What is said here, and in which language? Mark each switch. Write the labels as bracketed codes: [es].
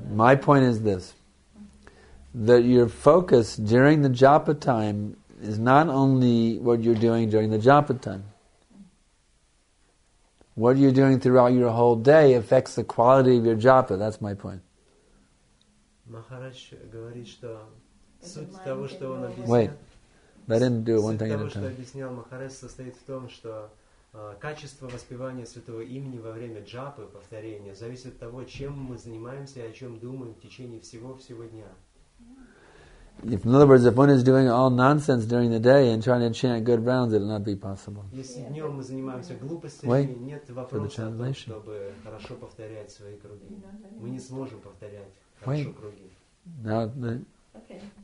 [en] My point is this, that your focus during the japa time is not only what you're doing during the japa time. What you're doing throughout your whole day affects the quality of your japa. That's my point. [ru] Махарадж говорит, что суть того, что он объяснял Махарадж, состоит в том, что качество воспевания святого имени во время джапы, повторения, зависит от того, чем мы занимаемся и о чем думаем в течение всего-всего дня. [en] If, in other words, if one is doing all nonsense during the day and trying to chant good rounds, it'll not be possible. Wait for the translation. Okay.